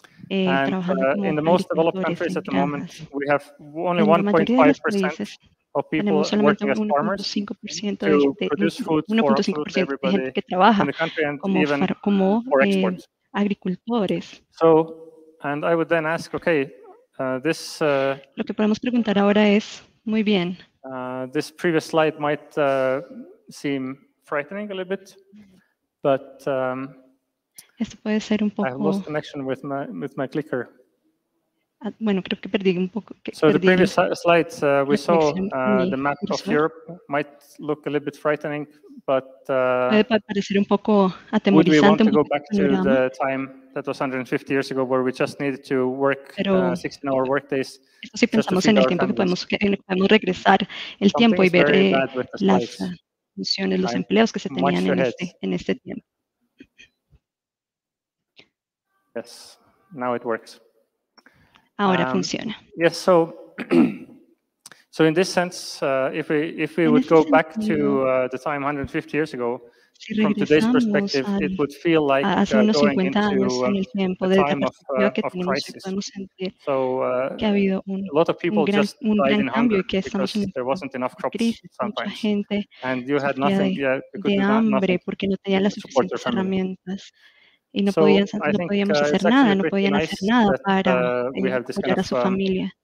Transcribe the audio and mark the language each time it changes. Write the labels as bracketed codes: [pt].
[en] And in the most developed countries at the moment, we have only 1.5% of people working as farmers to produce food for everybody in the country and even for exports. [es] Agricultores. [en] So, and I would then ask, okay, this. [es] Lo que podemos preguntar ahora es, muy bien. [en] This previous slide might seem frightening a little bit, but. [es] Esto puede ser un poco. [en] I lost connection with my clicker. [es] Bueno, creo que perdí un poco. [en] So the previous slide we saw the map cursor. Of Europe might look a little bit frightening, but [es] puede parecer un poco atemorizante. [en] Would we want to go back to the time that was 150 years ago, where we just needed to work 16-hour workdays? [es] Eso sí, pensamos en el tiempo que podemos regresar el tiempo y ver las funciones, los empleos que se tenían en este tiempo. [en] Yes, now it works. [es] Ahora funciona. [en] Yes, so in this sense, if we would go back to the time 150 years ago, from today's perspective, it would feel like going into a time of crisis. So a lot of people just died in hunger because there wasn't enough crops sometimes, and you had nothing. Yeah, you couldn't do nothing to support your family. [es] Y no podían, no podíamos hacer nada, no podían hacer nada para apoyar a su familia.